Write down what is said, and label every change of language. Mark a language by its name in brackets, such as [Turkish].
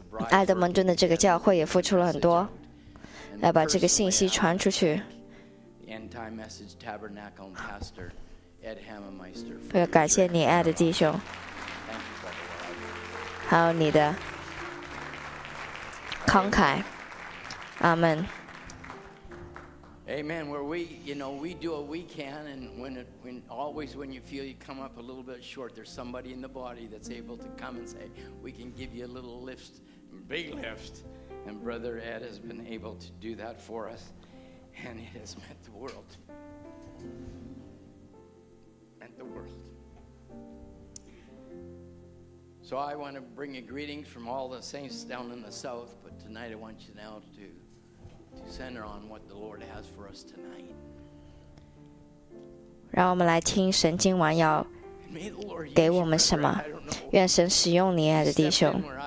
[Chinese] 爱德蒙顿的这个教会也付出了很多，来把这个信息传出去。 [English] End time message tabernacle and pastor Ed Hammermeister. [Chinese] 要感谢你 ，Ed 弟兄，还有你的慷慨，阿门。 [English] Amen. Where we, you know, we do what we can, and when you feel you come up a little bit short, there's somebody in the body that's able to come and say, we can give you a little lift, big lift. And Brother Ed has been able to do that for us, and it has meant the world. So I want to bring you greetings from all the saints down in the south, but tonight I want you now to center on what the Lord has for us tonight. [Chinese] 让我们来听神今晚要给我们什么。愿神使用你，爱的弟兄。